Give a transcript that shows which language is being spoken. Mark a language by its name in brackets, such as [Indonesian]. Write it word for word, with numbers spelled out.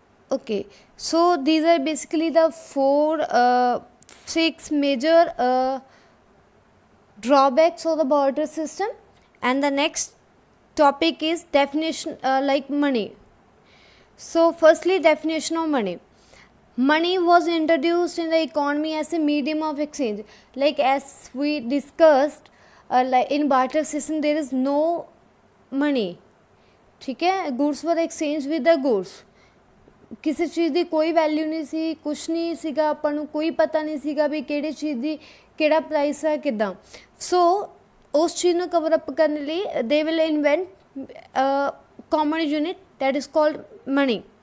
[English] Okay, so these are basically the four six major drawbacks of the barter system, and the next topic is definition uh, like money. So firstly, definition of money. Money was introduced in the economy as a medium of exchange. Like as we discussed, uh, like in barter system there is no money. ठीक है, goods were exchanged with the goods. [Punjabi] ਕਿਸੇ ਚੀਜ਼ ਦੀ ਕੋਈ value ਨਹੀਂ ਸੀ, ਕੁਛ ਨਹੀਂ ਸੀਗਾ, ਆਪਾਂ ਨੂੰ ਕੋਈ ਪਤਾ ਨਹੀਂ ਸੀਗਾ ਵੀ ਕਿਹੜੇ ਚੀਜ਼ ਦੀ ਕਿਹੜਾ ਪ੍ਰਾਈਸ ਆ ਕਿੱਦਾਂ। [English] so [Punjabi] ਉਸ ਚੀਜ਼ ਨੂੰ ਕਵਰ ਅਪ ਕਰਨ ਲਈ [English] They will invent common unit that is called money.